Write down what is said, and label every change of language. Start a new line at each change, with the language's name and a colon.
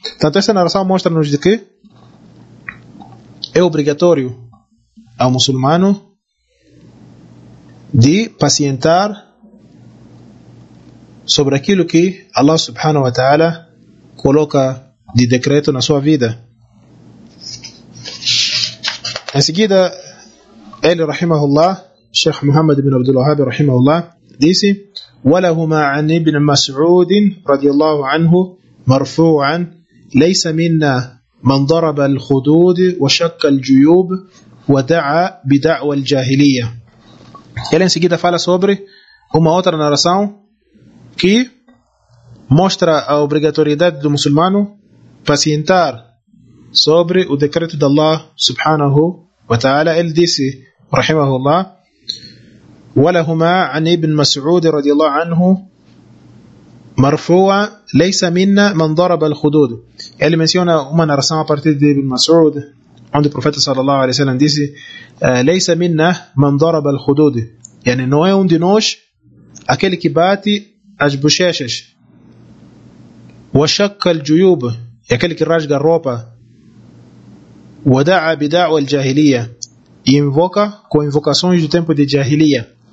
Portuguese: Tanto essa narração mostra-nos de que é obrigatório ao muçulmano de pacientar sobre aquilo que Allah subhanahu wa ta'ala coloca de decreto na sua vida. Em seguida, ele, rahimahullah, Sheikh Muhammad ibn Abdul Wahhab, rahimahullah, disse:
Arabic: وَلَهُمَا عَنِ ابن مسعود رضي الله عنه مرفوعا ليس منا من ضرب الخدود وشك الجيوب ودعا بدعوى الجاهلية.
Portuguese: Ele em seguida fala sobre uma outra narração que mostra a obrigatoriedade do muçulmano pacientar sobre o decreto de Allah subhanahu wa ta'ala. Ele disse, rahimahullah,
Arabic: وَلَهُمَا عَنِ ابن مسعود رضي الله عنه مَرْفُوعًا لَيْسَ مِنَّا مَنْ ضَرَبَ الْخُدُودُ.
Portuguese: Ele menciona uma narração a partir de Ibn Mas'ud, onde o profeta sallallahu alaihi wasallam disse:
Arabic: لَيْسَ مِنَّا مَنْ ضَرَبَ الْخُدُودُ.
Portuguese: Não é de nós aquele que bate as bochechas.
Arabic: وَشَكَّ الْجُيُوبُ.
Portuguese: É aquele que rasga a roupa.
Arabic: وَدَعَ بِدَعْوَ الْجَاهِلِيَّ.
Portuguese: E invoca com invocações do tempo de Jahiliya.